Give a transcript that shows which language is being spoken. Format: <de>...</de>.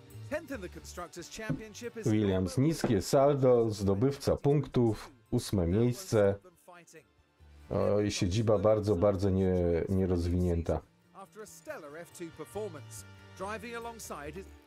<en>10th in the Constructors' Championship is Williams.</en> <pl>Niskie saldo, zdobywca punktów, 8. miejsce. Oj, siedziba bardzo, bardzo nierozwinięta.</pl> <en>After a stellar F2 performance, driving alongside his...</en>